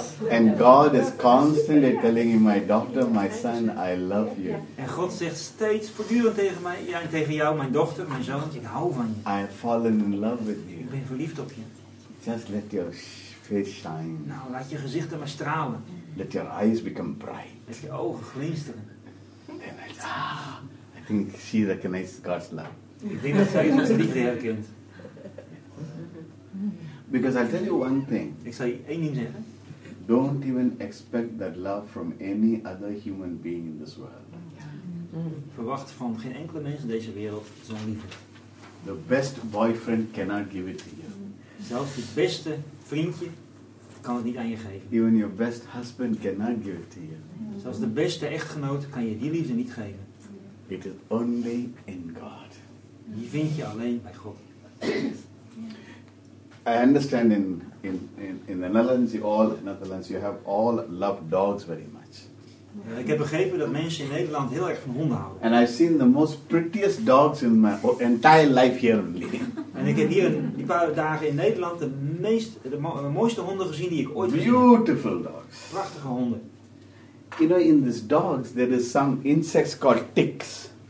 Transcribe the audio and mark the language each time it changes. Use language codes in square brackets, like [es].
[en] And God is constantly telling you, my daughter, my son, I love you. [nl] En God zegt steeds voortdurend tegen mij, ja, tegen jou, mijn dochter, mijn zoon, ik hou van je. [en] I have fallen in love with you. [nl] Ik ben verliefd op je. [en] Just let your face shine. [nl] Nou, laat je gezicht er maar stralen. [en] Let your eyes become bright. [nl] Let je ogen glinsteren. [en] Then I say, ah, I think she recognizes God's love. [nl] Ik denk dat zij onze liefde herkent. [en] Because I'll tell you one thing. [nl] Ik zal je één ding zeggen. [en] Don't even expect that love from any other human being in this world. [nl] Verwacht van geen enkele mens in deze wereld zo'n liefde. [en] The best boyfriend cannot give it to you. [nl] Zelfs het beste vriendje kan het niet aan je geven. [en] Even your best husband cannot give it to you. [nl] Zelfs de beste echtgenoot kan je die liefde niet geven. [en] It is only in God. [nl] Die vind je alleen bij God. [en] I understand in the Netherlands, you have all loved dogs very much. [nl] Ik heb begrepen dat mensen in Nederland heel erg van honden houden. [en] And I've seen the most prettiest dogs in my entire life here in Leiden. [nl] En ik heb hier die paar dagen in Nederland de mooiste honden gezien die ik ooit heb. [en] Beautiful dogs. [nl] Prachtige honden. [en] You know, in these dogs there is some insects called ticks.